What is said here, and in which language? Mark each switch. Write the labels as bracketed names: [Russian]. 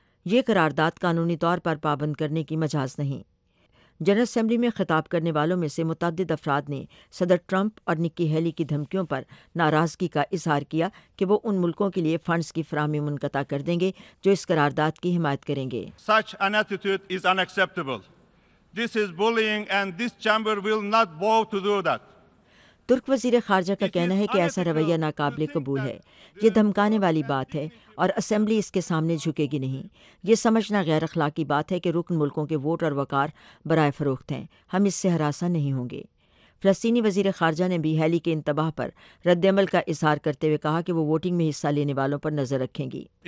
[Urdu] یہ قرارداد قانونی طور پر پابند کرنے کی مجاز نہیں۔ جنرل اسمبلی میں خطاب کرنے والوں میں سے متعدد افراد نے صدر ٹرمپ اور نکی ہیلی کی دھمکیوں پر ناراضگی کا اظہار کیا کہ وہ ان ملکوں کے لیے فنڈز کی فراہمی منقطع کر دیں گے جو اس قرارداد کی حمایت کریں گے۔ [English] Such an attitude is unacceptable. This is bullying and this chamber will not bow to do that. [Urdu] ترک وزیر خارجہ کا کہنا ہے کہ ایسا رویہ ناقابل قبول ہے، یہ دھمکانے والی بات ہے اور اسمبلی اس کے سامنے جھکے گی نہیں۔ یہ سمجھنا غیر اخلاقی بات ہے کہ رکن ملکوں کے ووٹ اور وقار برائے فروخت ہیں، ہم اس سے ہراساں نہیں ہوں گے۔ فلسطینی وزیر خارجہ نے بھی ہیلی کے انتباہ پر رد عمل کا اظہار کرتے ہوئے کہا کہ وہ ووٹنگ میں حصہ لینے والوں پر نظر رکھیں گی۔